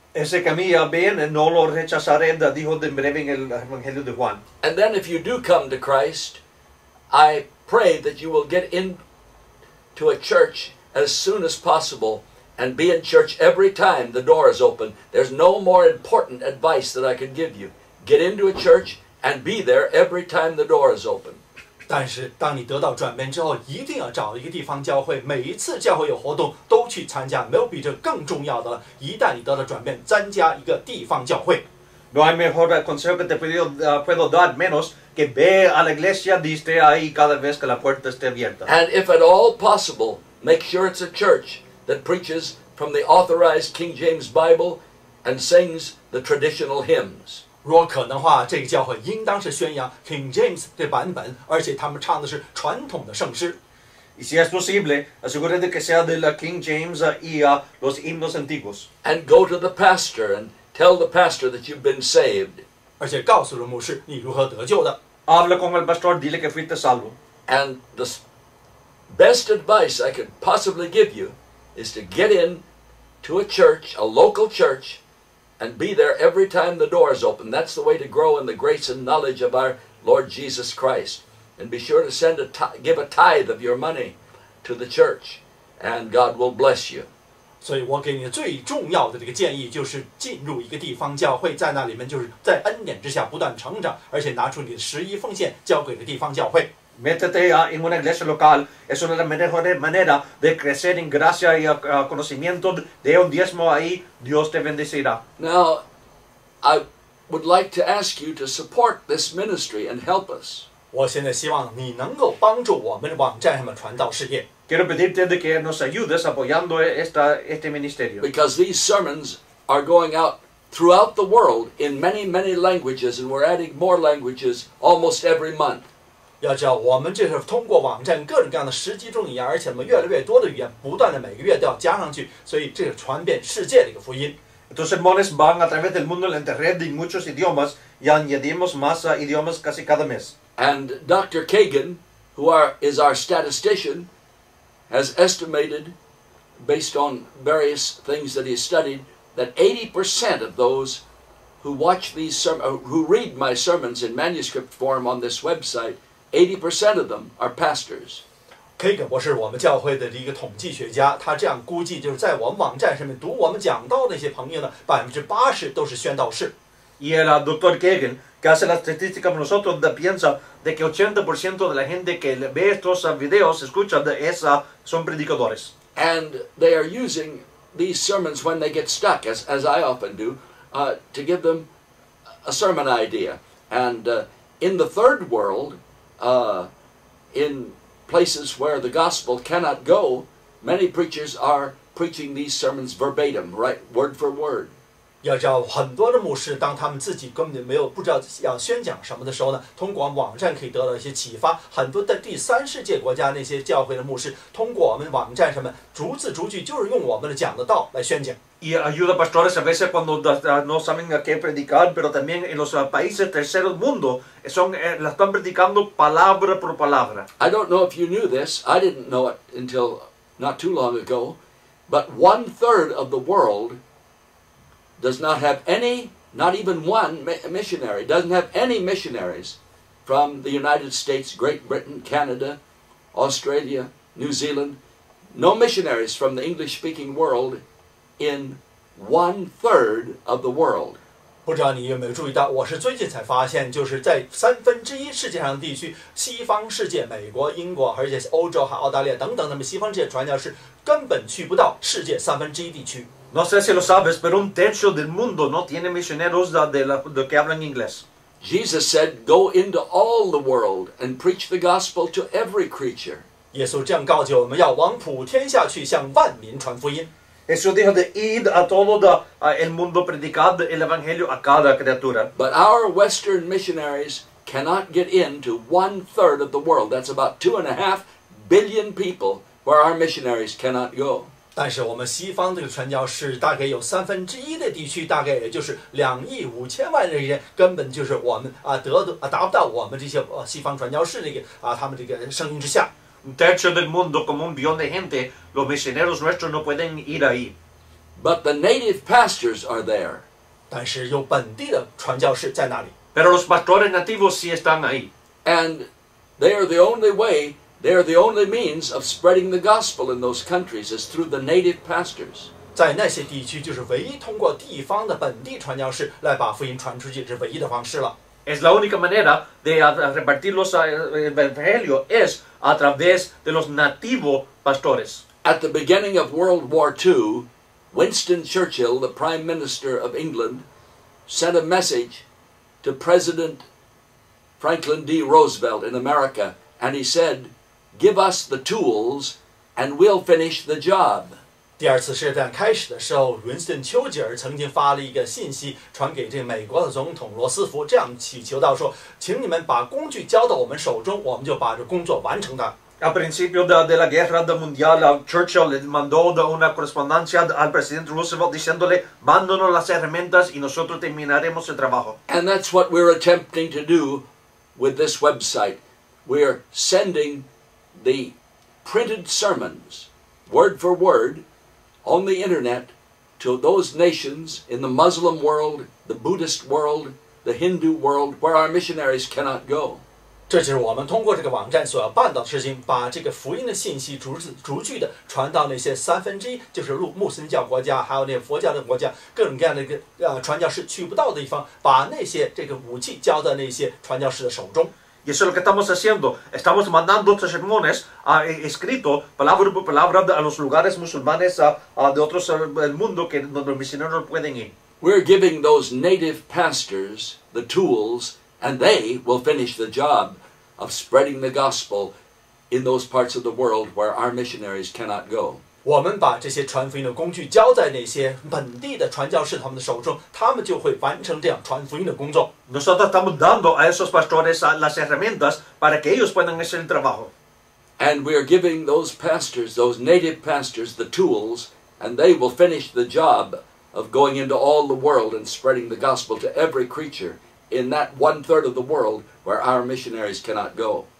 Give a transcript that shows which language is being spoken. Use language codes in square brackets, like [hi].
[es] Ese camino viene no lo rechazaré, dijo de breve en el Evangelio de Juan. [en] And then if you do come to Christ, I pray that you will get into a church as soon as possible and be in church every time the door is open. There's no more important advice that I can give you. Get into a church and be there every time the door is open. [zh] 但是当你得到转变之后，一定要找一个地方教会，每一次教会有活动都去参加，没有比这更重要的了。一旦你得到转变，参加一个地方教会。 [es] No hay mejor consejo que te puedo dar menos que ve a la iglesia y esté ahí cada vez que la puerta esté abierta. [en] And if at all possible, make sure it's a church that preaches from the authorized King James Bible and sings the traditional hymns. [zh] 如果可能的话，这个教会应当是宣扬 King James 的版本，而且他们唱的是传统的圣诗。 [es] Y si es posible, asegúrate que sea de la King James y los himnos antiguos. [en] And go to the pastor and tell the pastor that you've been saved. [zh] 而且告诉了牧师你如何得救的。 [es] Habla con el pastor, dile que fuiste salvo. [en] And the best advice I could possibly give you is to get in to a church, a local church. And be there every time the door is open. That's the way to grow in the grace and knowledge of our Lord Jesus Christ. And be sure to send a give a tithe of your money to the church, and God will bless you. [zh] 所以我给你最重要的这个建议就是进入一个地方教会，在那里面就是在恩典之下不断成长，而且拿出你的十一奉献交给了地方教会。 [es] Métete en una iglesia local. Es una de las mejores maneras de crecer en gracia y conocimiento. De un diezmo ahí, Dios te bendecirá. [en] Now, I would like to ask you to support this ministry and help us. [zh] 我现在希望你能够帮助我们网站上的传道事业。 [es] Quiero pedirte que nos ayudes apoyando este ministerio. [en] Because these sermons are going out throughout the world in many, many languages, and we're adding more languages almost every month. [zh] 要知道我们这是通过网站各种各样的十几种语言，而且我们越来越多的语言不断的每个月都要加上去，所以这是传遍世界的一个福音。 [es] Tus sermones van a través del mundo en internet en muchos idiomas y añadimos más idiomas casi cada mes. [en] And Dr. Cagan, who is our statistician, has estimated, based on various things that he studied, that 80% of those who watch these who read my sermons in manuscript form on this website. 80% of them are pastors. [zh] Cagan 博士，我们教会的一个统计学家，他这样估计，就是在我们网站上面读我们讲道的那些朋友呢，80%都是宣道士。 [es] Y el doctor Cagan, que hace la estadística con nosotros, piensa de que 80% de la gente que ve estos videos escucha de esa son predicadores. [en] And they are using these sermons when they get stuck, as I often do, to give them a sermon idea. And in the third world. In places where the gospel cannot go, many preachers are preaching these sermons verbatim, right, word for word. [zh] 要知道很多的牧师，当他们自己根本没有不知道要宣讲什么的时候呢，通过网站可以得到一些启发。很多的第三世界国家那些教会的牧师，通过我们网站上面逐字逐句，就是用我们的讲的道来宣讲。 [es] Y ayuda pastores a veces cuando no saben a qué predicar, pero también en los países tercer mundo la están predicando palabra por palabra. [en] I don't know if you knew this. I didn't know it until not too long ago. But 1/3 of the world does not have any, not even one missionary, doesn't have any missionaries from the United States, Great Britain, Canada, Australia, New Zealand. No missionaries from the English-speaking world. In 1/3 of the world. [zh] 不知道你有没有注意到，我是最近才发现，就是在三分之一世界上地区，西方世界，美国、英国，而且欧洲和澳大利亚等等，他们西方这些传教士根本去不到世界三分之一地区。 [es] No sé si lo sabes, pero un tercio del mundo no tiene misioneros de que hablan inglés. [en] Jesus said, "Go into all the world and preach the gospel to every creature." [zh] 耶稣这样告诫我们要往普天下去，向万民传福音。 [es] Jesús dijo de ir a todo el mundo predicando el evangelio a cada criatura. [en] But our Western missionaries cannot get into 1/3 of the world. That's about 2.5 billion people where our missionaries cannot go. [zh] 但是我们西方这个传教士大概有三分之一的地区，大概也就是2.5亿的人，根本就是我们啊达不到我们这些西方传教士这个啊他们这个声音之下。 [es] Un tercio del mundo como 1 billón de gente, los misioneros nuestros no pueden ir ahí. [en] But the native pastors are there. [zh] 但是有本地的传教士在那里。 [es] Pero los pastores nativos sí están ahí. [en] And they are the only way, they are the only means of spreading the gospel in those countries is through the native pastors. [zh] 在那些地区就是唯一通过地方的本地传教士来把福音传出去是唯一的方式了。 [es] Es la única manera de repartir los evangelios es a través de los nativos pastores. [en] At the beginning of World War II, Winston Churchill, the Prime Minister of England, sent a message to President Franklin D. Roosevelt in America, and he said, "Give us the tools, and we'll finish the job." [zh] 第二次世界大战开始的时候，云斯顿·丘吉尔曾经发了一个信息传给这美国的总统罗斯福，这样祈求到说，请你们把工具交到我们手中，我们就把这工作完成的。 [es] A principio de la guerra mundial, Churchill le mandó una correspondencia al presidente Roosevelt diciéndole, mándonos las herramientas y nosotros terminaremos el trabajo. [en] And that's what we're attempting to do with this website. We're sending the printed sermons, word for word,on the internet to those nations in the Muslim world, the Buddhist world, the Hindu world, where our missionaries cannot go. [zh] 这就是我们通过这个网站所要办到的事情，把这个福音的信息逐句的传到那些三分之一，就是穆斯林教国家，还有那佛教的国家，各种各样的传教士去不到的地方，把那些这个武器交到那些传教士的手中。 [es] Y eso es lo que estamos haciendo. Estamos mandando estos sermones escritos, palabra por palabra, a los lugares musulmanes de otros del mundo que los misioneros no pueden ir. [en] We're giving those native pastors the tools, and they will finish the job of spreading the gospel in those parts of the world where our missionaries cannot go. [zh] 我们把这些传福音的工具交在那些本地的传教士他们的手中，他们就会完成这样传福音的工作。 [es] Nosotros estamos dando a esos pastores las herramientas para que ellos puedan hacer el trabajo. [en] And we are giving those pastors, those native pastors, the tools, and they will finish the job of going into all the world and spreading the gospel to every creature in that 1/3 of the world where our missionaries cannot go.